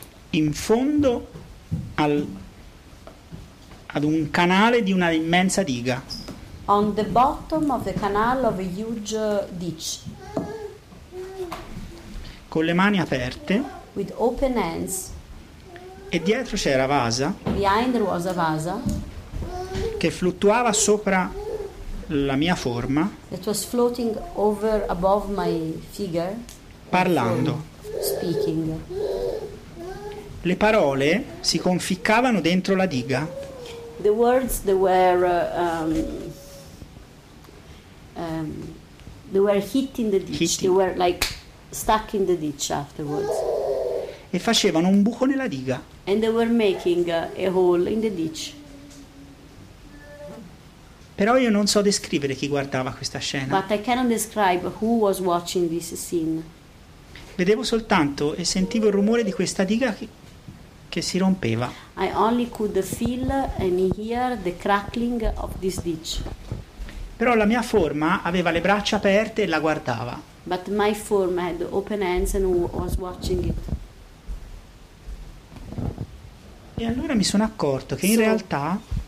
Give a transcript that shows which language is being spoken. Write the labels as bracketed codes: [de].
[it] In fondo al, ad un canale di una immensa diga. [en] On the bottom of the canal of a huge ditch. [it] Con le mani aperte. [en] With open hands. [it] E dietro c'era Vasa. [en] Behind there was a Vasa. [it] Che fluttuava sopra la mia forma. [en] It was floating over above my figure. [it] Parlando. [en] Speaking. [it] Le parole si conficcavano dentro la diga. [en] The words they were they were hit in the ditch. Hitting. They were like stuck in the ditch afterwards. [it] E facevano un buco nella diga. [en] And they were making a hole in the ditch. [it] Però io non so descrivere chi guardava questa scena. [en] But I cannot describe who was watching this scene. [it] Vedevo soltanto e sentivo il rumore di questa diga che si rompeva. [en] I only could feel and hear the crackling of this ditch. [it] Però la mia forma aveva le braccia aperte e la guardava. [en] But my form had open hands and was watching it. [it] E allora mi sono accorto che in realtà